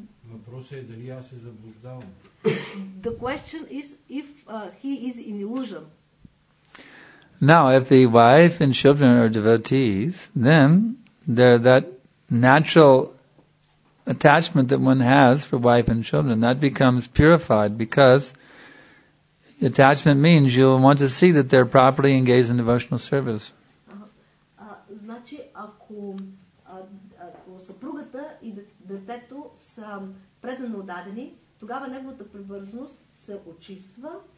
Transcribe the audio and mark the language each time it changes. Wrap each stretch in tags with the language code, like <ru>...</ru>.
<bg>Въпросът е дали аз се заблуждавам.</bg> <en>The question is if he is in illusion. Now, if the wife and children are devotees, then they're that natural attachment that one has for wife and children, that becomes purified because attachment means you'll want to see that they're properly engaged in devotional service.</en> <bg>Значи, ако съпругата и детето са предано отдадени, тогава неговата привързаност се очиства</bg>